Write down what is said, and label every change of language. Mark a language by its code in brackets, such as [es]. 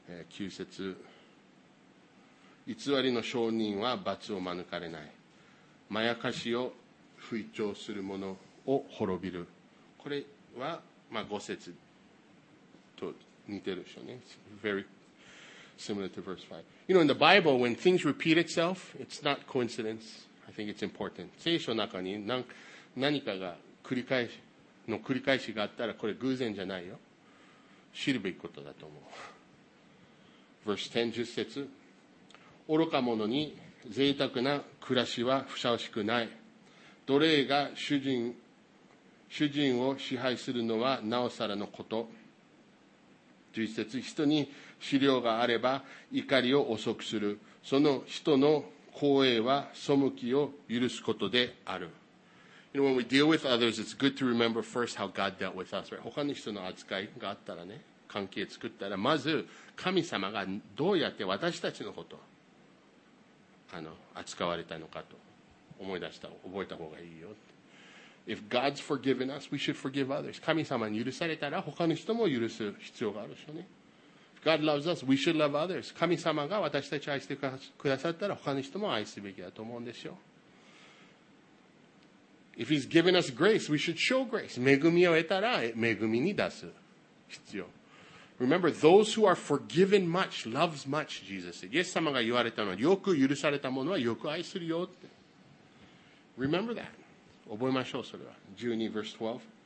[ja] 9節、偽りの証人は罰を免れない。まやかしを吹聴する者を滅びる。これは、まあ、5節と似てるでしょうね。 [en] It's very similar to verse 5. You know, in the Bible, when things repeat itself, it's not coincidence. I think it's important. [ja] 聖書の中に何かが繰り返しの繰り返しがあったら、これ偶然じゃないよ。知るべきことだと思う。Verse 10節、愚か者に贅沢な暮らしはふさわしくない。奴隷が主人を支配するのはなおさらのこと。 11節、人に資料があれば怒りを遅くする。その人の公営は背きを許すことである。 [en] You know, when we deal with others, it's good to remember first how God dealt with us, right? [ja] 他の人の扱いがあったらね、関係作ったら、まず神様がどうやって私たちのこと扱われたのかと思い出した、覚えた方がいいよ。 [en] If God's forgiven us, we should forgive others. [ja] 神様に許されたら他の人も許す必要があるでしょうね。 [en] God loves us, we should love others. [ja] 神様が私たちを愛してくださったら他の人も愛すべきだと思うんですよ。 [en] If he's given us grace, we should show grace. [ja] 恵みを得たら恵みに出す必要。 [en] Remember, those who are forgiven much loves much, Jesus said. [ja] イエス様が言われたのは、よく許された者はよく愛するよって。 [en] Remember that. [ja] 覚えましょう、それは。 [en] 12 verse 12。